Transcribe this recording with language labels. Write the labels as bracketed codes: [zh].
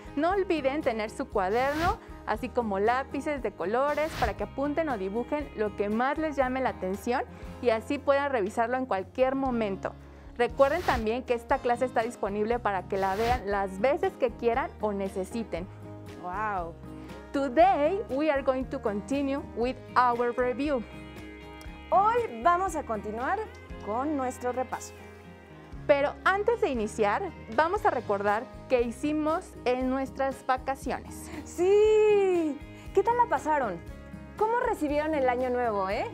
[es] No olviden tener su cuaderno, así como lápices de colores, para que apunten o dibujen lo que más les llame la atención y así puedan revisarlo en cualquier momento. Recuerden también que esta clase está disponible para que la vean las veces que quieran o necesiten. ¡Wow! [en] Today, we are going to continue with our review. [es] Hoy vamos a continuar con nuestro repaso. Pero antes de iniciar, vamos a recordar qué hicimos en nuestras vacaciones. ¡Sí! ¿Qué tal la pasaron? ¿Cómo recibieron el año nuevo, eh?